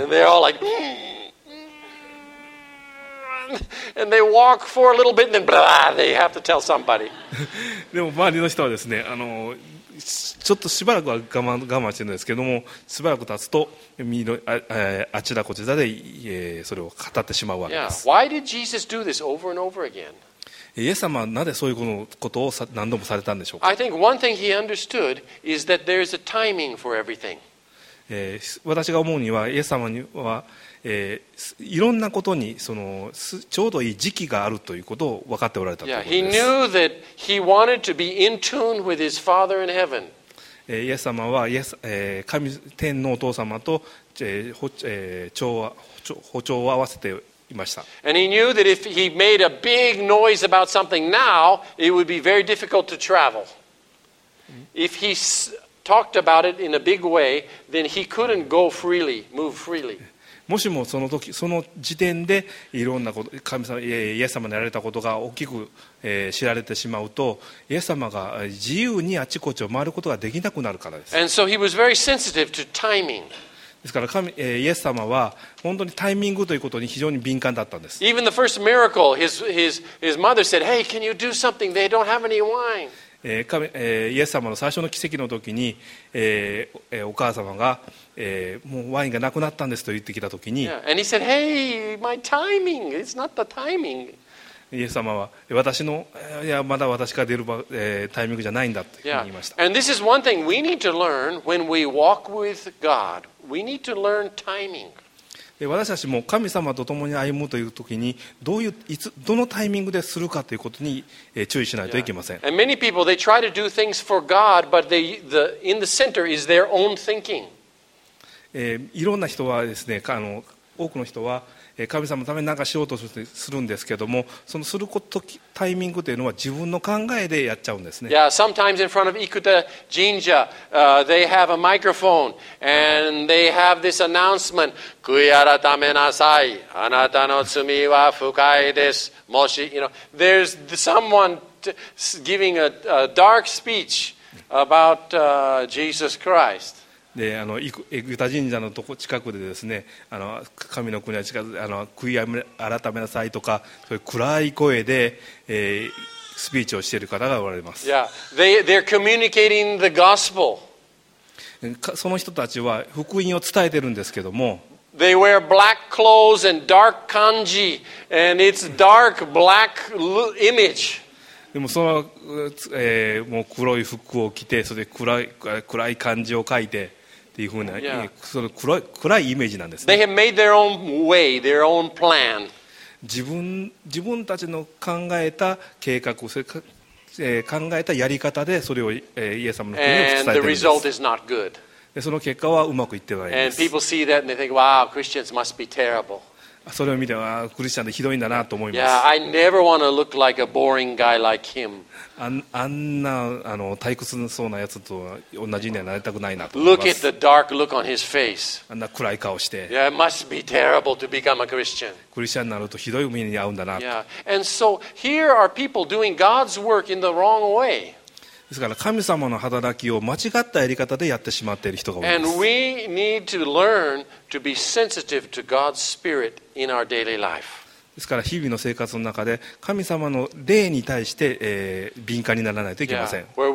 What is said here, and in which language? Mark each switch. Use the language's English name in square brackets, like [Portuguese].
[English] And they're all like,And they walk for a little bit, and then blah, they have to tell somebody. [Japanese] でも周りの人はですね、ちょっとしばらくは我慢してるんですけども、しばらく経つと身の あちらこちらで、それを語ってしまうわけです。 [English] Yeah. Why did Jesus do this over and over again? [Japanese] イエス様はなぜそういうことを何度もされたんでしょうか。 [English] I think one thing he understood is that there is a timing for everything. [Japanese] 私が思うにはイエス様には。いろんなことにそのちょうどいい時期があるということを分かっておられたということです。 [English] Yeah, he knew that he wanted to be in tune with his Father in heaven. [Japanese] イエス様は神天のお父様と歩調を合わせていました。 [English] And he knew that if he made a big noise about something now, it would be very difficult to travel. If he talked about it in a big way, then he couldn't go freely, move freely. [Japanese] もしもその時その時点でいろんなこと神様イエス様にやられたことが大きく、知られてしまうとイエス様が自由にあちこちを回ることができなくなるからです。 [English] And so he was very sensitive to timing. [Japanese] ですから神、イエス様は本当にタイミングということに非常に敏感だったんです。 [English] Even the first miracle, his mother said, Hey, can you do something? They don't have any wine. [Japanese] イエス様の最初の奇跡の時に、お母様がもうワインがなくなったんですと言ってきたときに、 [English] yeah. And he said, hey, my timing. It's not the timing. [Japanese] イエス様は私のいやまだ私が出るタイミングじゃないんだと言いました。 [English] Yeah. And this is one thing we need to learn when we walk with God. We need to learn timing. [Japanese] 私たちも神様と共に歩むというときにどのタイミングでするかということに注意しないといけません。 [English] Yeah. And many people, they try to do things for God, but in the center is their own thinking. [Japanese] いろんな人はですね、多くの人は神様のために何かしようとするんですけども、そのすることタイミングというのは自分の考えでやっちゃうんですね。 [English] Yeah, sometimes in front of Ikuta Jinja, they have a microphone and they have this announcement, [Japanese] 悔い改めなさい、あなたの罪は深いです。 [English] もし、you know, there's someone giving a dark speech about Jesus Christ. [Japanese] でエグタ神社のとこ近くでですね、神の国は近づ悔い改めなさいとかそういう暗い声で、スピーチをしている方がおられます。 [English] Yeah. They're communicating the gospel. [Japanese] その人たちは福音を伝えているんですけども。 [English] They wear black clothes and dark kanji, and it's dark black image. [Japanese] でもその、もう黒い服を着てそれで暗い漢字を書いてっていう風な、yeah. その暗いイメージなんですね。 [English] They have made their own way, their own plan. [Japanese] 自分たちの考えた計画それか、考えたやり方でそれを、イエス様の国を伝えているんです。 [English] And the result is not good. [Japanese] でその結果はうまくいってないです。 [English] And people see that and they think, wow, Christians must be terrible. [Japanese] それを見てはクリスチャンでひどいんだなと思います。 [English] Yeah, I never want to look like a boring guy like him. [Japanese] あんな退屈そうなやつと同じにはなりたくないなと思います [English] Look at the dark look on his face. [Japanese] あんな暗い顔して。 [English] Yeah, it must be terrible to become a Christian. [Japanese] クリスチャンになるとひどい目に遭うんだなと。 [English] Yeah, and so here are people doing God's work in the wrong way. [Japanese] ですから神様の働きを間違ったやり方でやってしまっている人が多いです。ですから日々の生活の中で神様の霊に対して、敏感にならないといけません。